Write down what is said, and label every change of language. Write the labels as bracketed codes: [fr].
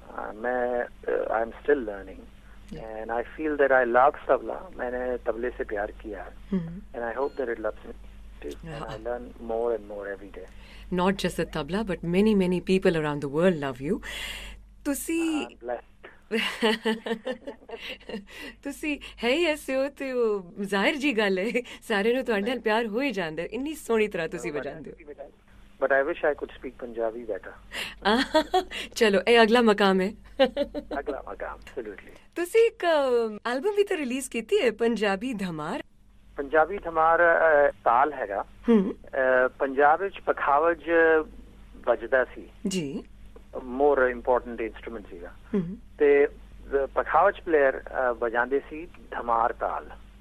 [en] I'm still learning. Yeah. And I feel that I love tabla. [hi] Maine tabla se pyar kiya. [en] And I hope that it loves me too. And I learn more and more every day. Not just the tabla, but many, many people around the world love you. Tusi... I'm blessed. [pa] ਤੁਸੀਂ ਹੈ ਹੀ ਐਸੇ ਹੋ ਤੇ ਉਹ ਜ਼ਾਹਿਰ ਜੀ ਗੱਲ ਹੈ, ਸਾਰੇ ਨੂੰ ਤੁਹਾਡੇ ਨਾਲ ਪਿਆਰ ਹੋ ਹੀ ਜਾਂਦਾ, ਇੰਨੀ ਸੋਹਣੀ ਤਰ੍ਹਾਂ ਤੁਸੀਂ ਵਜਾਉਂਦੇ ਹੋ। [en] But I wish I could speak Punjabi better. [pa] ਚਲੋ ਇਹ ਅਗਲਾ ਮਕਾਮ ਹੈ। ਅਗਲਾ ਮਕਾਮ absolutely। ਤੁਸੀਂ ਇੱਕ ਐਲਬਮ ਵੀ ਤਾਂ ਰਿਲੀਜ਼ ਕੀਤੀ ਹੈ, ਪੰਜਾਬੀ ਧਮਾਰ। ਪੰਜਾਬੀ ਧਮਾਰ ਤਾਲ ਹੈਗਾ। ਪੰਜਾਬ ਵਿੱਚ ਪਖਾਵਜ ਵੱਜਦਾ ਸੀ ਜੀ, ਮੋਰ ਇੰਪੋਰਟੈਂਟ ਇੰਸਟਰੂਮੈਂਟ ਸੀਗਾ, ਤੇ ਪਖਾਵਜ ਪਲੇਅਰ ਵਜਾਉਂਦੇ ਸੀ ਧਮਾਰ ਤਾਲ।